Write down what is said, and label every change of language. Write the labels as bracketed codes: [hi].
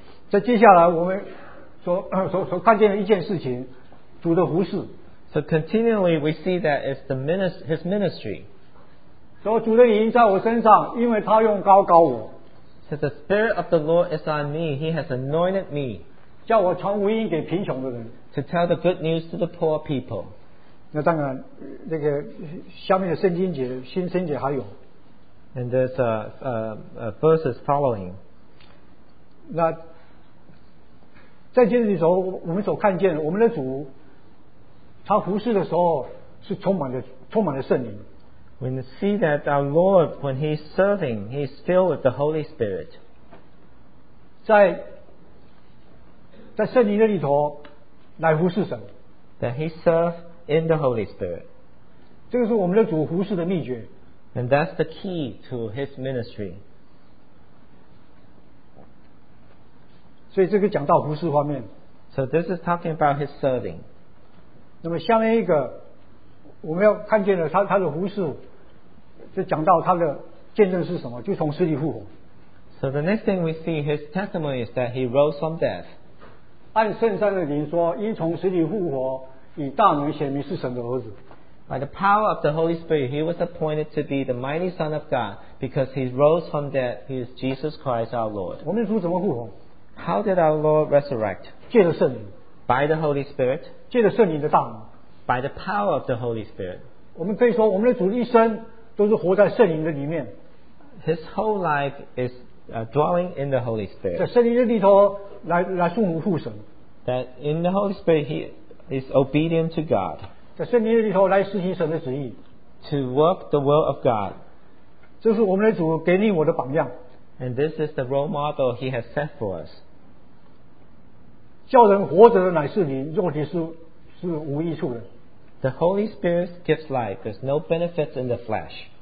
[zh] 在接下来我们所看见的一件事情, 主的服事, [en] so continually we see that it's the His ministry. [zh] 说主的灵在我身上, 因为他用膏膏我, [en] so the Spirit of the Lord is on me, He has anointed me, [zh] 叫我传福音给贫穷的人, [en] to tell the good news to the poor people. [zh] 那当然, 那个下面的圣经节, 新圣经节还有, [en] and there's verses following. [zh] 那, 在这里的时候, 我们所看见, 我们的主, 他服侍的时候, 是充满了, 充满了圣灵。 [en] We see that our Lord, when He is serving, He is filled with the Holy Spirit. [zh] 在圣灵的里头来服侍神, [en] that He served in the Holy Spirit. [zh] 这个是我们的主服侍的秘诀, [en] and that's the key to His ministry. [zh] 所以这个讲到服侍方面, [en] so this is talking about His serving. [zh] 那么下面一个, 我们要看见的他的服侍, 就讲到他的见证是什么, 就从死里复活。 [en] So the next thing we see, His testimony is that He rose from death. [zh] 按圣善的灵说, 因从死里复活, 以大能显明是神的儿子。 [en] By the power of the Holy Spirit, He was appointed to be the mighty Son of God, because He rose from death, He is Jesus Christ our Lord. [zh] 我们主怎么复活? [en] How did our Lord resurrect? [zh] 借着圣灵。 [en] By the Holy Spirit. [zh] 借着圣灵的大能。 [en] By the power of the Holy Spirit. [zh] 我们可以说我们的主一生, 都是活在圣灵的里面, [en] His whole life is dwelling in the Holy Spirit. [zh] 在圣灵的里头来顺服父神, [en] that in the Holy Spirit He is obedient to God. [zh] 在圣灵的里头来实行神的旨意, [en] to work the will of God. [zh] 这是我们的主给你我的榜样, [en] and this is the role model He has set for us. [zh] 叫人活着的乃是灵, 肉体是无益处的。 [en] The Holy Spirit gives life. There's no benefits in the flesh.